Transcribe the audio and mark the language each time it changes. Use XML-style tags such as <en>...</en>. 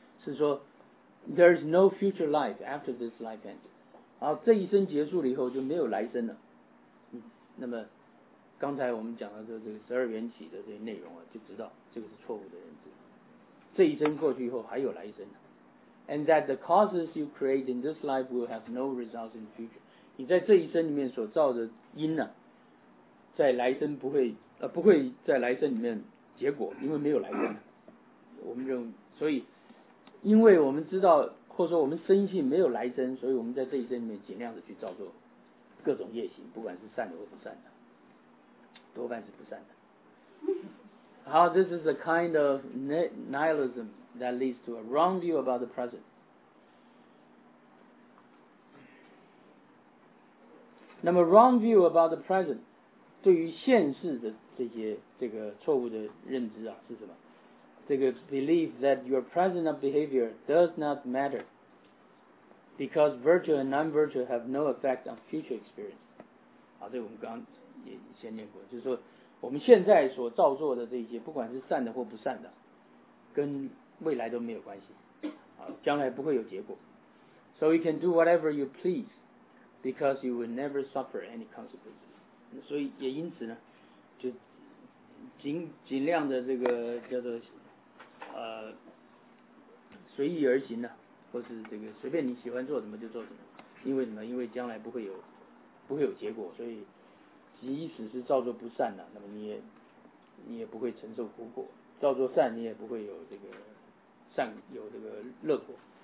<zh>是说</zh> <en>there is no future life after this life ends，</en> <zh>然后这一生结束了以后就没有来生了。那么刚才我们讲到这个十二缘起的这些内容啊，就知道这个是错误的认知，这一生过去以后还有来生呢。</zh> <en>And that the causes you create in this life will have no results in the future.</en> <zh>你在这一生里面所造的因呢、啊，在来生不会在来生里面结果，因为没有来生。我们认为，所以，因为我们知道，或者说我们深信没有来生，所以我们在这一生里面尽量的去造作各种业行，不管是善的或不善的，多半是不善的。</zh> <en>How this is a kind of nihilism that leads to a wrong view about the present.</en> <zh>那么</zh> <en>wrong view about the present</en> <zh>对于现世的这些这个错误的认知啊是什么？这个</zh> <en>belief that your present of behavior does not matter because virtue and non-virtue have no effect on future experience</en> <zh>啊，这个我们刚也先念过，就是说我们现在所造作的这些不管是善的或不善的跟未来都没有关系啊，将来不会有结果。</zh> <en>So you can do whatever you please because you will never suffer any consequences。</en> <zh>所以也因此呢就 尽量的这个叫做随意而行呢、啊、或是这个随便你喜欢做什么就做什么，因为什么？因为将来不会有结果，所以即使是造作不善呢、啊、那么你也不会承受苦果，造作善你也不会有这个善有这个乐果。</zh>